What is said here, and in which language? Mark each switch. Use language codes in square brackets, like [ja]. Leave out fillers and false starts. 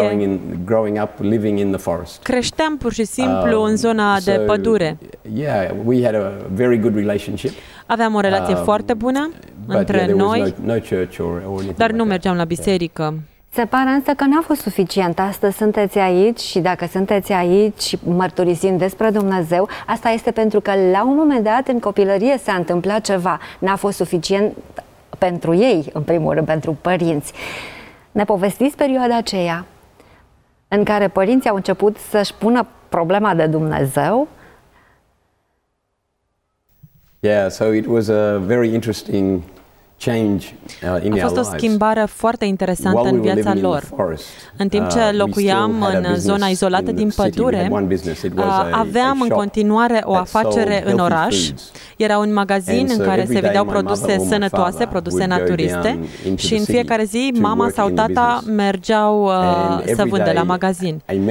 [en] We were just growing up, living in the forest. [ro] Creșteam pur și simplu în zona de pădure. [en] Yeah, we had a very good relationship. [ro] Aveam o relație foarte bună între noi. [en] No church or anything. [ro] Dar nu mergeam la biserică. Se pare însă că n-a fost suficient. Astăzi sunteți aici și dacă sunteți aici mărturisind despre Dumnezeu, asta este pentru că la un moment dat în copilărie s-a întâmplat ceva. N-a fost suficient pentru ei, în primul rând, pentru părinți. Ne povestiți perioada aceea în care părinții au început să-și pună problema de Dumnezeu? [en] Yeah, so it was a very interesting change in our lives. [ro] A fost o schimbare foarte interesantă în viața lor. În timp ce locuiam în zona izolată din pădure, aveam în continuare o afacere în oraș. Era un magazin în care se vindeau produse sănătoase, produse naturiste, și în fiecare zi mama sau tata mergeau să vândă la magazin.